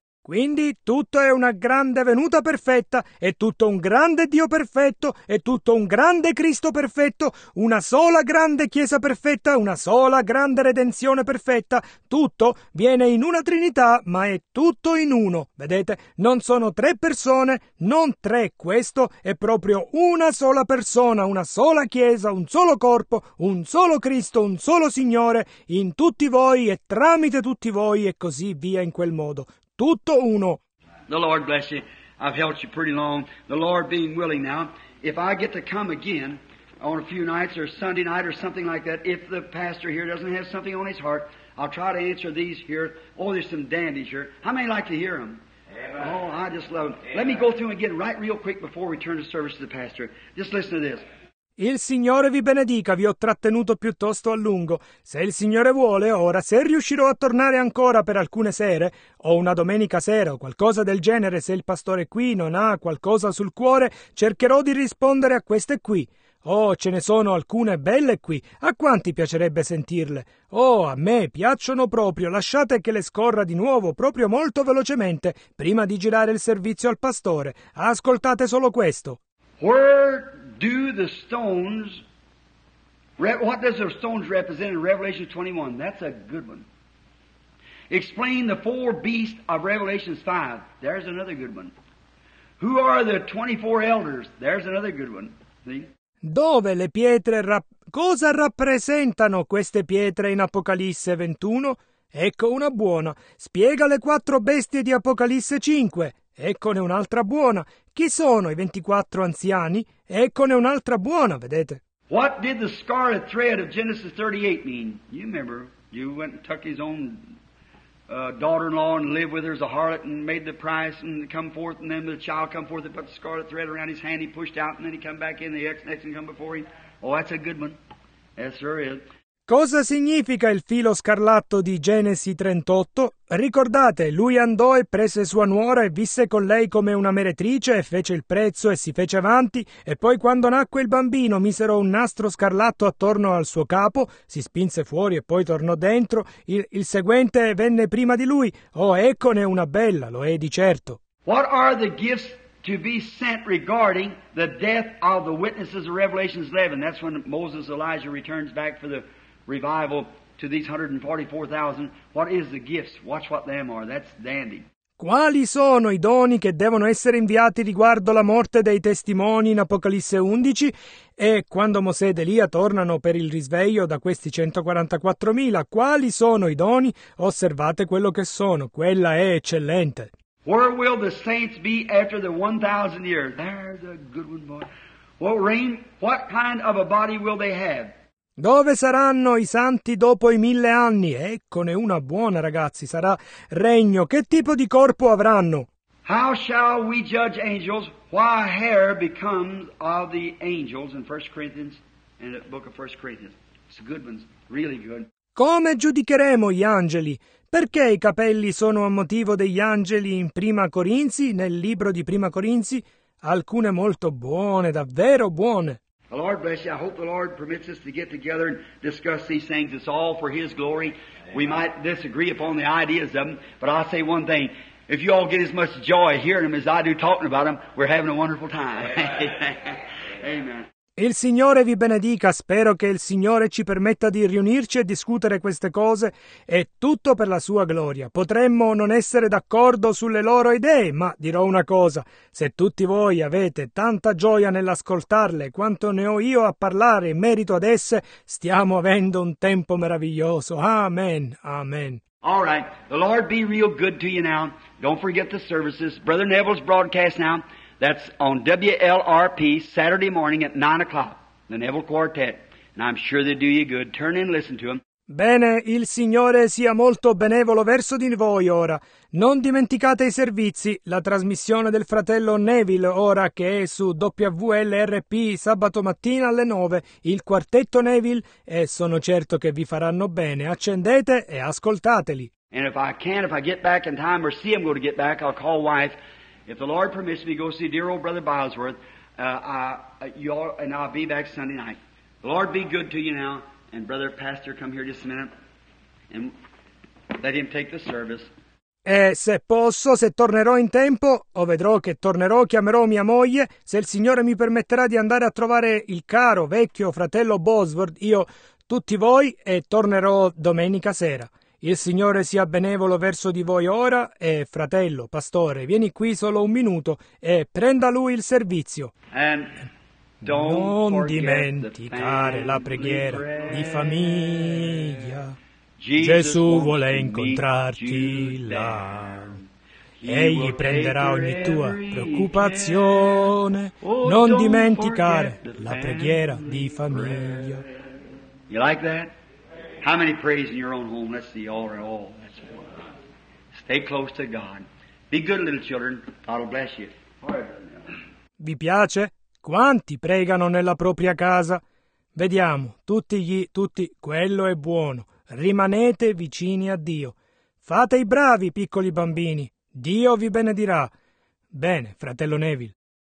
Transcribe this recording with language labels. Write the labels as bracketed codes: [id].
[it] Quindi tutto è una grande venuta perfetta, è tutto un grande Dio perfetto, è tutto un grande Cristo perfetto, una sola grande Chiesa perfetta, una sola grande redenzione perfetta, tutto viene in una Trinità, ma è tutto in uno. Vedete, non sono tre persone, non tre, questo è proprio una sola persona, una sola Chiesa, un solo corpo, un solo Cristo, un solo Signore, in tutti voi e tramite tutti voi e così via in quel modo. Tutto uno. [en] The Lord bless you. I've helped you pretty long. The Lord being willing now, if I get to come again on a few nights or Sunday night or something like that, if the pastor here doesn't have something on his heart, I'll try to answer these here. Oh, there's some dandies here. How many like to hear them? Amen. Oh, I just love them. Amen. Let me go through them again right real quick before we turn the service to the pastor. Just listen to this. [it] Il Signore vi benedica, vi ho trattenuto piuttosto a lungo. Se il Signore vuole, ora, se riuscirò a tornare ancora per alcune sere, o una domenica sera, o qualcosa del genere, se il pastore qui non ha qualcosa sul cuore, cercherò di rispondere a queste qui. Oh, ce ne sono alcune belle qui. A quanti piacerebbe sentirle? Oh, a me piacciono proprio. Lasciate che le scorra di nuovo, proprio molto velocemente, prima di girare il servizio al pastore. Ascoltate solo questo. [en] Word. Do the stones, what does the stones represent in Revelation 21? That's a good one. Explain the four beasts of Revelation 5. There's another good one. Who are the 24 elders? There's another good one. See? [it] Dove le pietre, cosa rappresentano queste pietre in Apocalisse 21? Ecco una buona. Spiega le quattro bestie di Apocalisse 5. Eccone un'altra buona. Chi sono i 24 anziani? Eccone un'altra buona, vedete. [en] What did the scarlet thread of Genesis 38 mean? You remember, you went and took his own daughter-in-law and lived with her as a harlot and made the price and come forth and then the child come forth and put the scarlet thread around his hand, he pushed out and then he come back in the next and come before him. Oh, that's a good one. Yes, sir, it is. [it] Cosa significa il filo scarlatto di Genesi 38? Ricordate, lui andò e prese sua nuora e visse con lei come una meretrice e fece il prezzo e si fece avanti e poi quando nacque il bambino misero un nastro scarlatto attorno al suo capo, si spinse fuori e poi tornò dentro, il seguente venne prima di lui. Oh, eccone una bella, lo è di certo. [en] What are the gifts to be sent regarding the death of the witnesses of Revelation 11? That's when Moses Elijah returns back for the revival to these 144,000. What is the gifts? Watch what them are. That's dandy. [it] Quali sono i doni che devono essere inviati riguardo la morte dei testimoni in Apocalisse 11? E quando Mosè ed Elia tornano per il risveglio da questi 144,000, quali sono i doni? Osservate quello che sono. Quella è eccellente. [en] Where will the saints be after the 1,000 years? There's a good one, boy. What reign? What kind of a body will they have? [it] Dove saranno i santi dopo i 1,000 anni? Eccone una buona, ragazzi, sarà regno. Che tipo di corpo avranno? [en] How shall we judge angels? Why hair becomes of the angels in 1 Corinthians, in the book of 1 Corinthians. It's a good one, really good. [it] Come giudicheremo gli angeli? Perché i capelli sono a motivo degli angeli in Prima Corinzi, nel libro di Prima Corinzi? Alcune molto buone, davvero buone. [en] The Lord bless you. I hope the Lord permits us to get together and discuss these things. It's all for His glory. Amen. We might disagree upon the ideas of them, but I'll say one thing. If you all get as much joy hearing them as I do talking about them, we're having a wonderful time. Amen. [it] Il Signore vi benedica. Spero che il Signore ci permetta di riunirci e discutere queste cose. È tutto per la sua gloria. Potremmo non essere d'accordo sulle loro idee, ma dirò una cosa. Se tutti voi avete tanta gioia nell'ascoltarle quanto ne ho io a parlare in merito ad esse, stiamo avendo un tempo meraviglioso. Amen. Amen. [en] All right. The Lord be real good to you now. Don't forget the services. Brother Neville's broadcast now. That's on WLRP Saturday morning at 9 o'clock, the Neville Quartet. And I'm sure they do you good. Turn in and listen to them. [it] Bene, il Signore sia molto benevolo verso di voi ora. Non dimenticate i servizi, la trasmissione del fratello Neville, ora che è su WLRP sabato mattina alle 9, il quartetto Neville, e sono certo che vi faranno bene. Accendete e ascoltateli. [en] And if I can, if I get back in time or see I'm going to get back, I'll call wife. If the Lord permits me, go see dear old brother Bosworth, and I'll be back Sunday night. The Lord be good to you now, and brother pastor, come here just a minute, and let him take the service. [it] E se posso, se tornerò in tempo, o vedrò che tornerò, chiamerò mia moglie. Se il Signore mi permetterà di andare a trovare il caro vecchio fratello Bosworth, io tutti voi, e tornerò domenica sera. Il Signore sia benevolo verso di voi ora e, fratello, pastore, vieni qui solo un minuto e prenda lui il servizio. Non dimenticare la preghiera di famiglia. Gesù vuole incontrarti là. Egli prenderà ogni tua preoccupazione. Non dimenticare la preghiera di famiglia. [en] You like that? How many prays in your own home? Let's see, all in all. That's one. Stay close to God. Be good, little children. God will bless you. [it] Vi piace? Quanti pregano nella propria casa? Vediamo, tutti, quello è buono. Rimanete vicini a Dio. Fate i bravi, piccoli bambini. Dio vi benedirà. Bene, fratello Neville.